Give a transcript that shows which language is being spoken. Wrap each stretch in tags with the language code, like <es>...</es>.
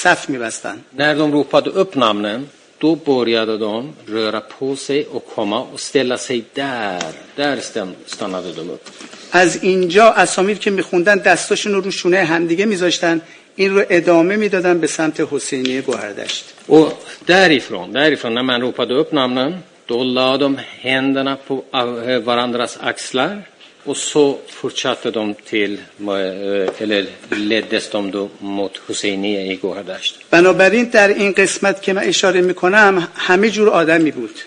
<sv>när de ropade upp namnen då började de röra på sig och komma och ställa sig där. Där stannade de upp.</sv> <fa>از اینجا اسامی که میخوندن دستاشون رو شونه همدیگه میذاشتن این رو ادامه میدادن به سمت حسینی گوهردشت.</fa> <sv>Och därifrån när man ropade upp namnen då la de händerna på varandras axlar och så fortsatte de till eller leddes de då mot Husseini i Gohardasht.</sv> <fa>بنابراین در این قسمت که من اشاره میکنم همه جور آدمی بود.</fa>